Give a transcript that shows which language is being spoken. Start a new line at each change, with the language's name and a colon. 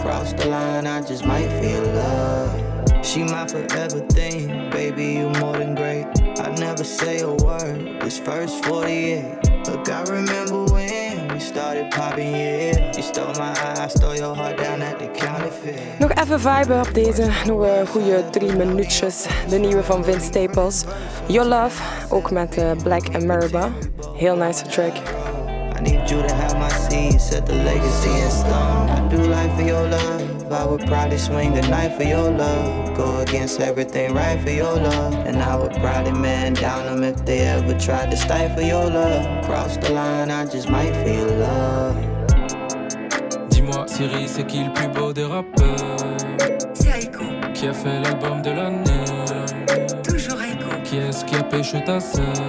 English: Cross the line, I just might feel love. She my forever thing, baby, you more than great. I never say a word, this first 48. Look, I remember when we started popping, yeah. You stole my eye, I stole your heart down at the counterfeit.
Dutch: Nog even viben op deze, nog een goede 3 minuutjes. De nieuwe van Vince Staples, Your Love, ook met Black and Mamba. Heel nice track.
English: I need you to have my seed, set the legacy in stone. I do life for your love. I would probably swing the knife for your love. Go against everything right for your love. And I would probably man down them if they ever tried to stifle your love. Cross the line, I just might feel love.
French: Dis-moi, Siri, c'est qui le plus beau des rappeurs? C'est Aiko. Qui a fait l'album de l'année? Toujours Aiko. Qui est-ce qui a pêché ta sœur?